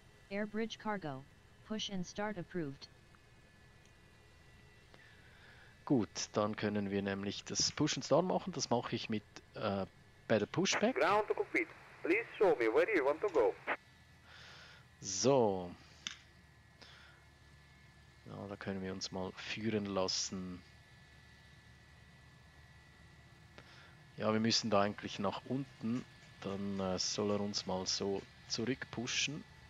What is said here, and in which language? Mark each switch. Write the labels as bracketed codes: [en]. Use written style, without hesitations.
[en] Airbridge Cargo, push and start approved. [de] Gut, dann können wir nämlich das Push and Start machen. Das mache ich mit Better Pushback. [en] Ground to cockpit, please show me where you want to go. [de] So. Ja, da können wir uns mal führen lassen. Ja, wir müssen da eigentlich nach unten. Dann soll er uns mal so zurückpushen.